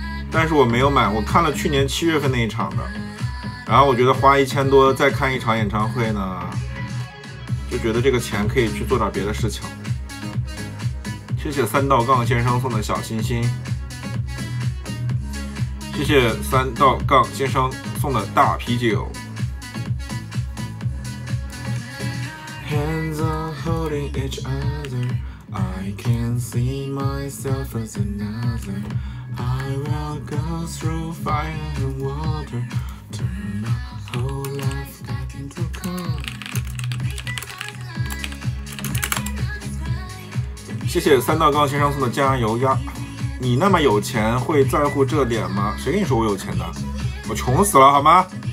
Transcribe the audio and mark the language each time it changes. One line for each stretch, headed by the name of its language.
Chinese: 但是我没有买，我看了去年七月份那一场的，然后我觉得花1000多再看一场演唱会呢，就觉得这个钱可以去做点别的事情。谢谢三道杠先生送的小心心，谢谢三道杠先生送的大啤酒。
English: Hands are holding each other, I can see myself as another. I will go through fire and water, turn my whole life back into color.
Chinese: 谢谢三道杠先生送的加油鸭。你那么有钱会在乎这点吗？谁跟你说我有钱的？我穷死了好吗？